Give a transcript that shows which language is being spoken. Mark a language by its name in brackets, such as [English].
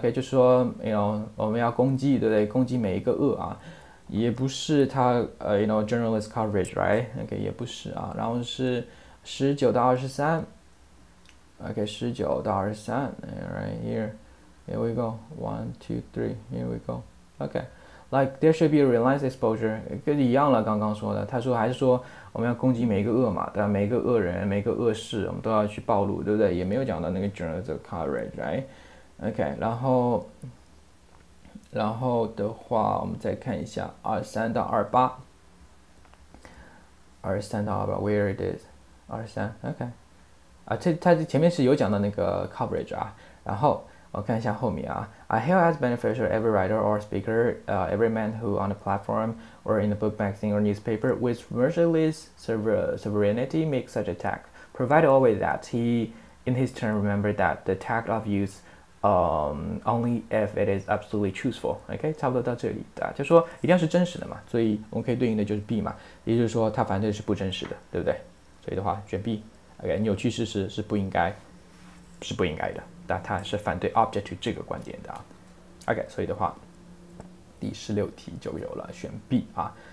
[Chinese] Okay, 就说 you know 我们要攻击，对不对？攻击每一个恶啊，也不是他 [English] you know journalist coverage, right? [Chinese] Okay, 也不是啊。然后是十九到二十三。Okay, 十九到二十三。 [English] Right here, here we go. 1, 2, 3. Here we go. Okay, like there should be a relentless exposure. [Chinese] 跟一样了，刚刚说的，他说还是说我们要攻击每一个恶嘛，对吧？每一个恶人，每一个恶事，我们都要去暴露，对不对？也没有讲到那个 journalism coverage， right？ OK， 然后的话，我们再看一下23到28 ， [English] where it is？ 23 OK， [Chinese] 啊，它前面是有讲到那个 [English] coverage [Chinese] 啊，然后我看一下后面啊 [English] ，I hail as beneficial every writer or speaker, every man who on the platform or in the book magazine or newspaper with merciless sovereignty makes such attack, provided always that he, in his turn, remember that the attack of use, only if it is absolutely truthful. [Chinese] Okay, 差不多到这里的，就说一定要是真实的嘛，所以我们可以对应的就是 B 嘛，也就是说他反正是不真实的，对不对？所以的话选 B. Okay, 扭曲事实是不应该的。但他是反对 object to 这个观点的啊。OK， 所以的话第十六题就有了选 B 啊。